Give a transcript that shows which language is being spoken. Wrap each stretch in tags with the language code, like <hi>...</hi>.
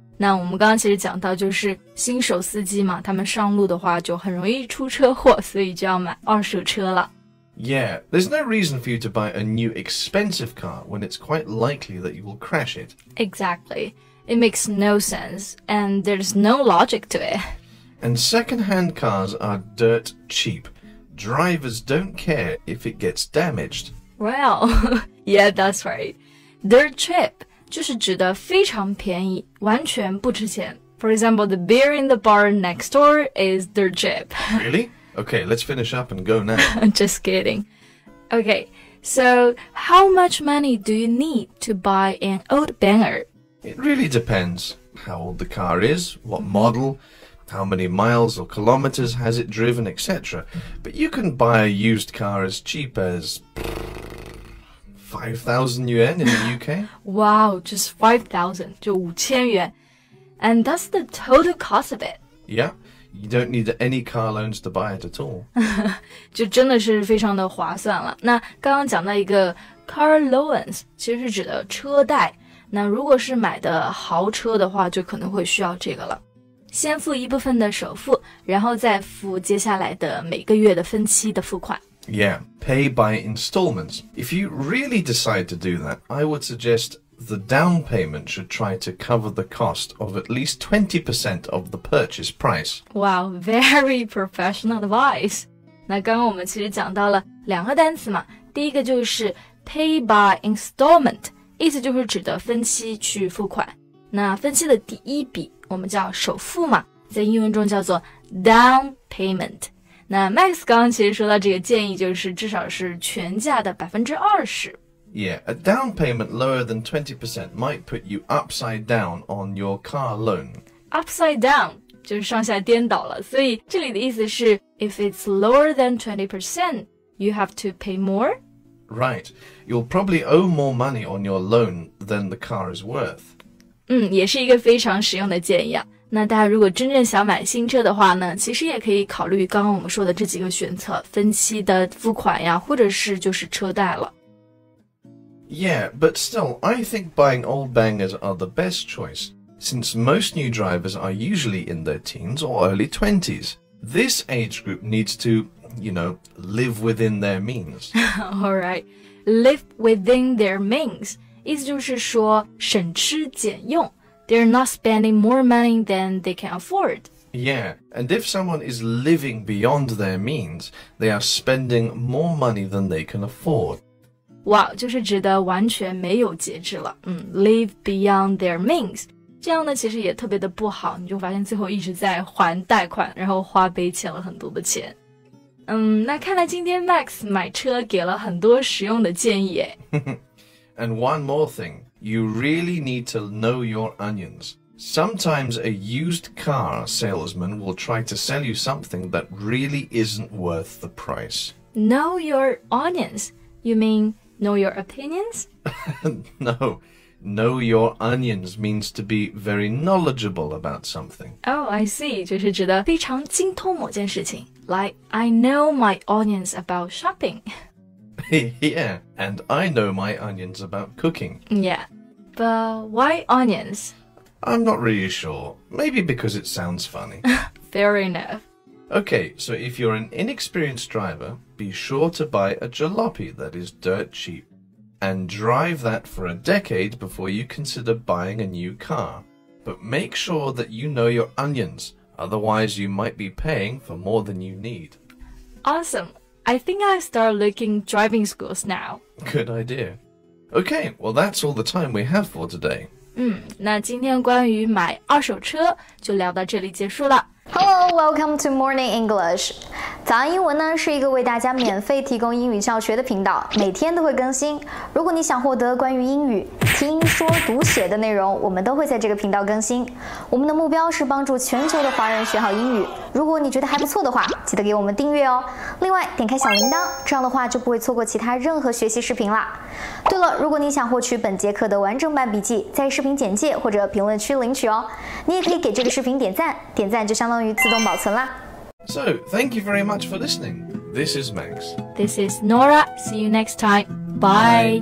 <zh>那我们刚刚其实讲到就是新手司机嘛他们上路的话就很容易出车祸所以就要买二手车了</zh> <en>Yeah, there's no reason for you to buy a new expensive car when it's quite likely that you will crash it. Exactly. It makes no sense and there's no logic to it. And second-hand cars are dirt cheap. Drivers don't care if it gets damaged. Well, yeah, that's right. Dirt cheap.</en> <zh>就是指的非常便宜完全不值钱</zh> <en>For example, the beer in the bar next door is dirt cheap. Really? Okay, let's finish up and go now. Just kidding. Okay, so how much money do you need to buy an old banger? It really depends how old the car is, what model, how many miles or kilometers has it driven, etc. But you can buy a used car as cheap as... 5,000 yuan in the UK? Wow, just 5,000,</en> <zh>就五千元</zh> <en>And that's the total cost of it. Yeah, you don't need any car loans to buy it at all.</en> <zh>就真的是非常的划算了。那刚刚讲到一个</zh> <en>car loans,</en> <zh>其实是指的车贷。那如果是买的豪车的话就可能会需要这个了。先付一部分的首付然后再付接下来的每个月的分期的付款。</zh> <en>Yeah, pay by installments. If you really decide to do that, I would suggest the down payment should try to cover the cost of at least 20% of the purchase price. Wow, very professional advice.</en> <zh>那刚刚我们其实讲到了两个单词嘛第一个就是</zh> <en>pay by installment，</en> <zh>意思就是指的分期去付款。那分期的第一笔我们叫首付嘛，在英文中叫做 down payment。那 Max 刚刚其实说到这个建议，就是至少是全价的 20%。</zh> <en>Yeah, a down payment lower than 20% might put you upside down on your car loan. Upside down</en> <zh>就是上下颠倒了，所以这里的意思是</zh> <en>if it's lower than 20%, you have to pay more? Right, you'll probably owe more money on your loan than the car is worth.</en> <zh>嗯，也是一个非常实用的建议啊。那大家如果真正想买新车的话呢，其实也可以考虑刚刚我们说的这几个选择，分期的付款呀，或者是就是车贷了。</zh> <en>Yeah, but still, I think buying old bangers are the best choice. Since most new drivers are usually in their teens or early 20s, this age group needs to, you know, live within their means. All right. Live within their means.</en> <zh>意思就是说省吃俭用。</zh> <en>They're not spending more money than they can afford. Yeah. And if someone is living beyond their means, they are spending more money than they can afford.</en> <zh>Wow, 就是指的完全没有节制了。</zh> <en>Live beyond their means.</en> <zh>这样呢其实也特别的不好，你就发现最后一直在还贷款，然后花呗欠了很多的钱。那看来今天 Max 买车给了很多实用的建议。</zh> <en>And one more thing, you really need to know your onions. Sometimes a used car salesman will try to sell you something that really isn't worth the price. Know your onions? You mean know your opinions? No. Know your onions means to be very knowledgeable about something. Oh, I see.</en> <zh>就是指的非常精通某件事情。</zh> <en>Like, I know my onions about shopping. Yeah, and I know my onions about cooking. Yeah, but why onions? I'm not really sure. Maybe because it sounds funny. Fair enough. Okay, so if you're an inexperienced driver, be sure to buy a jalopy that is dirt cheap. And drive that for a decade before you consider buying a new car. But make sure that you know your onions, otherwise you might be paying for more than you need. Awesome. I think I'll start looking driving schools now. Good idea. Okay, well that's all the time we have for today.</en> <zh>那今天关于买二手车就聊到这里结束了。</zh> <en>Hello, welcome to Morning English.</en> <zh>早安英文呢是一个为大家免费提供英语教学的频道，每天都会更新。如果你想获得关于英语听说读写的内容，我们都会在这个频道更新。我们的目标是帮助全球的华人学好英语。如果你觉得还不错的话，记得给我们订阅哦。另外，点开小铃铛，这样的话就不会错过其他任何学习视频啦。对了，如果你想获取本节课的完整版笔记，在视频简介或者评论区领取哦。你也可以给这个视频点赞，点赞就相当于自动保存啦。</zh> <en>So, thank you very much for listening. This is Max. This is Nora. See you next time. Bye. Bye.</en>